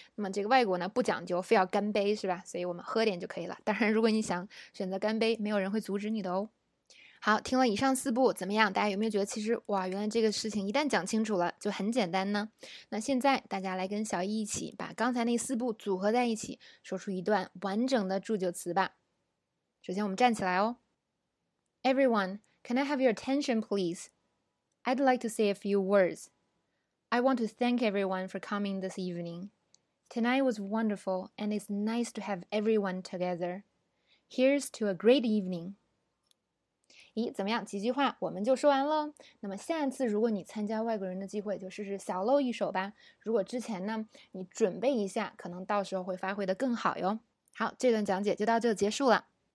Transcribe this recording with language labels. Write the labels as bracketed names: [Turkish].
[Chinese] 那么这个外国呢不讲究非要干杯，是吧，所以我们喝点就可以了。当然如果你想选择干杯，没有人会阻止你的哦。好，听了以上四步怎么样，大家有没有觉得其实哇，原来这个事情一旦讲清楚了就很简单呢？那现在大家来跟小易一起把刚才那四步组合在一起，说出一段完整的祝酒词吧。首先我们站起来哦。 [English] Everyone, can I have your attention please? I'd like to say a few words. I want to thank everyone for coming this evening. Tonight was wonderful, and it's nice to have everyone together. Here's to a great evening. [Chinese] 咦，怎么样？几句话我们就说完了。那么下次如果你参加外国人的机会，就试试小露一手吧。如果之前呢，你准备一下，可能到时候会发挥得更好哟。好，这段讲解就到这结束了。